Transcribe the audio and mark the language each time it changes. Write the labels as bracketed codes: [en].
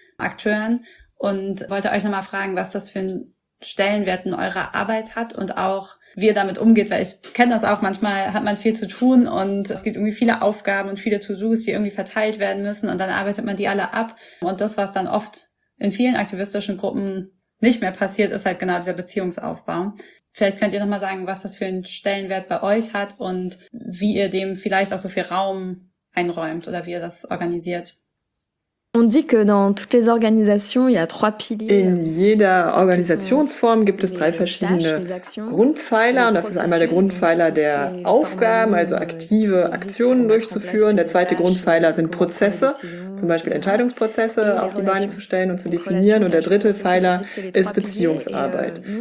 [de] Akteuren und wollte euch nochmal fragen, was das für einen Stellenwert in eurer Arbeit hat und auch wie ihr damit umgeht, weil ich kenne das auch, manchmal hat man viel zu tun und es gibt irgendwie viele Aufgaben und viele To-Dos, die irgendwie verteilt werden müssen und dann arbeitet man die alle ab und das, was dann oft in vielen aktivistischen Gruppen nicht mehr passiert, ist halt genau dieser Beziehungsaufbau. Vielleicht könnt ihr nochmal sagen, was das für einen Stellenwert bei euch hat und wie ihr dem vielleicht auch so viel Raum einräumt oder wie ihr das organisiert. [fr] On dit que dans toutes les organisations, il y a trois piliers. [de] In jeder Organisationsform gibt es drei verschiedene Grundpfeiler. Und das ist einmal der Grundpfeiler der Aufgaben, also aktive Aktionen durchzuführen. Der zweite Grundpfeiler sind Prozesse, zum Beispiel Entscheidungsprozesse auf die Beine zu stellen und zu definieren. Und der dritte Pfeiler ist Beziehungsarbeit.